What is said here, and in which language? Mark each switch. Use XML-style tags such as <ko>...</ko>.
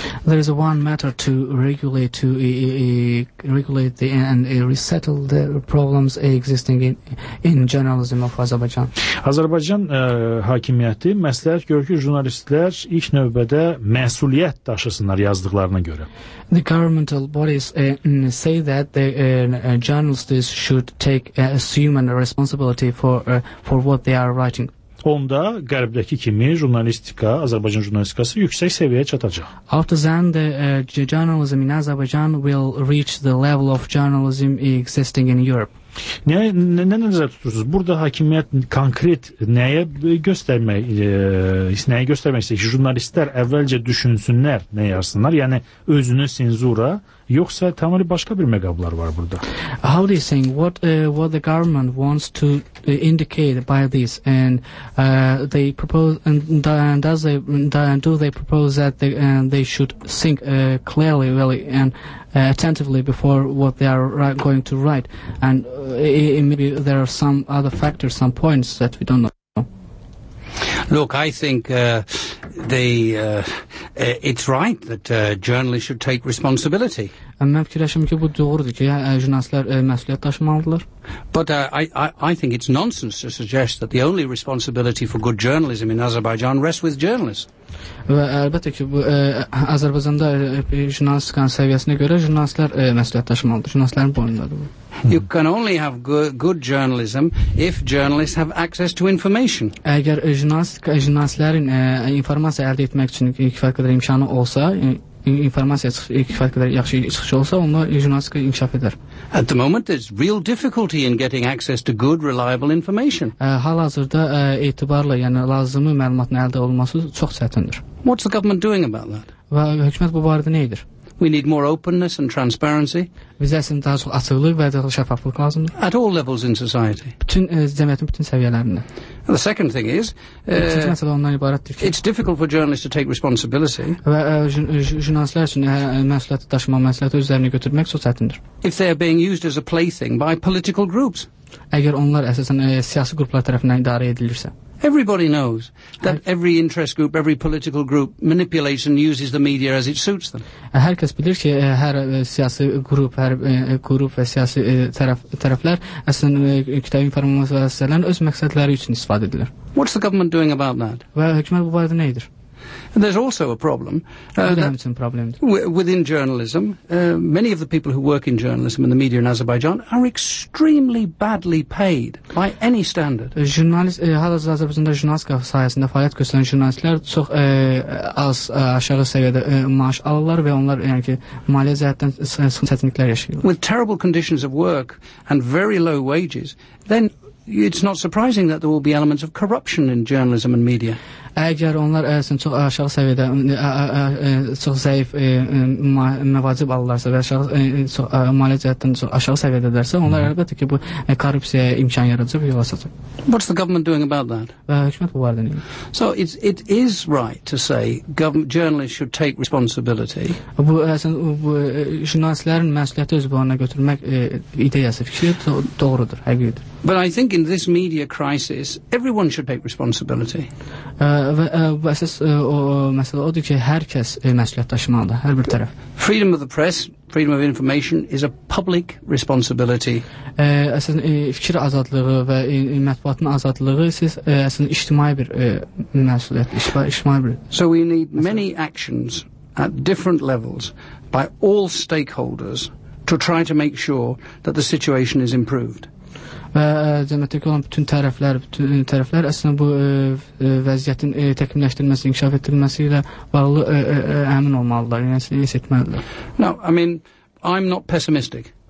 <en>There is one matter to regulate, regulate the, and resettle the problems existing in general of Azərbaycan.</en> <az>Azərbaycan hakimiyyəti məsləhət görür ki, jurnalistlər ilk növbədə məsuliyyət daşısınlar yazdıqlarına görə.</az> <en>The governmental bodies say that the journalists should take assume a responsibility for what they are writing.</en> <az>Onda qərbdəki kimi jurnalistika, Azərbaycan jurnalistikası yüksək səviyyəyə çatacaq.</az> <en>After then, the journalism in Azerbaijan will reach the level of journalism existing in Europe.</en> <az>Nə nəzərdə tutursunuz? Burada hakimiyyət konkret nəyə göstərmək, nəyə göstərmək istəyir ki, jurnalistlər əvvəlcə düşünsünlər, nə yazsınlar, yəni özünü senzura, yoxsa tamamilə başqa bir məqamlar var burada.</az> <en>How do you think what what the government wants to indicate by this and they propose and does they do they propose that they they should think clearly really and attentively before what they are going to write and maybe there are some other factors, some points that we don't know. Look, I think the it's right that journalists should take responsibility.</en> <az>Mən fikirləşirəm ki, bu doğrudur ki, jurnalistlər məsuliyyət daşımalıdırlar.</az> <en>But I think it's nonsense to suggest that the only responsibility for good journalism in Azerbaijan rests with journalists.</en> <az>Və əlbəttə ki, bu Azərbaycanda jurnalistikanın səviyyəsinə görə jurnalistlər məsuliyyət daşımalıdır. Jurnalistlərin boynundadır bu.</az> <en>You can only have good journalism if journalists have access to information.</en> <az>Əgər jurnalistlərin informasiya əldə etmək üçün kifayət qədər imkanı olsa, informasiya kifayət qədər yaxşı çıxış olsa, onda jurnalistika inkişaf edər.</az> <en>At the moment there's real difficulty in getting access to good reliable information.</en> <az>Hal-hazırda etibarlı, yəni lazımi məlumatın əldə olunması çox çətindir.</az> <en>What's the government doing about that?</en> <az>Və hökumət bu barədə nə edir?</az> <en>We need more openness and transparency.</en> <az>Biz əslində daha çox açıqlıq və daha şəffaflıq lazımdır.</az> <en>At all levels in society.</en> <az>Bütün cəmiyyətin bütün səviyyələrində.</az> <en>The second thing is, it's difficult for journalists to take responsibility.</en> <az>Jurnalistlər üçün məsuliyyəti daşımaq, məsuliyyəti özlərinə götürmək çox çətindir.</az> <en>If they are being used as a plaything by political groups.</en> <az>Əgər onlar əsasən siyasi qruplar tərəfindən idarə edilirsə.</az> <en>Everybody knows that every interest group, every political group manipulates and uses the media as it suits them.</en> <az>Hər kəs bilir ki, hər siyasi qrup, hər qrup və siyasi tərəflər əslində kütləvi informasiya vasitələrinin öz məqsədləri üçün istifadə edirlər.</az> <en>What's the government doing about that?</en> <az>Və hökumət bu barədə nə edir?</az> <en>There's also a problem. Within journalism, many of the people who work in journalism and the media in Azerbaijan are extremely badly paid by any standard.</en> <az>Hal-hazırda Azərbaycanda jurnalistika sahəsində fəaliyyət göstərən jurnalistlər çox az aşağı səviyyədə maaş alırlar və onlar yəni ki, maliyyə cəhətdən sıxıntı çətinliklər yaşayırlar.</az> <en>With terrible conditions of work and very low wages, then it's not surprising that there will be elements of corruption in journalism and media.</en> <az>Əgər onlar əslində çox aşağı səviyyədə çox zəif məvacib alırlarsa və aşağı çox maliyyə cəhətdən çox aşağı səviyyədədirsə, onlar əlbəttə ki, bu korrupsiyaya imkan yaradacaq və yol açacaq.</az> <en>What's the government doing about that?</en> <az>Hökumət bu barədə nə edir?</az> <en>So it is right to say journalists should take responsibility.</en> <az>Bu əslində bu jurnalistlərin məsuliyyəti öz boynuna götürmək ideyası fikri doğrudur, həqiqidir.</az> <en>But I think in this media crisis everyone should take responsibility.</en> <az>Və əsas o məsələ odur ki, hər kəs məsuliyyət daşımalıdır, hər bir tərəf.</az> <en>Freedom of the press, freedom of information is a public responsibility.</en> <az>Əslində fikir azadlığı və mətbuatın azadlığı siz əslində ictimai bir məsuliyyət, ictimai bir.</az> <en>So we need many actions at different levels by all stakeholders to try to make sure that the situation is improved.</en> <az>Və cəmiyyətdəki olan bütün tərəflər, əslində bu vəziyyətin təkmilləşdirilməsi, inkişaf etdirilməsi ilə bağlı əmin olmalıdırlar, yəni hiss etməlidirlər.</az> <en>No, I mean, I'm not pessimistic.</en>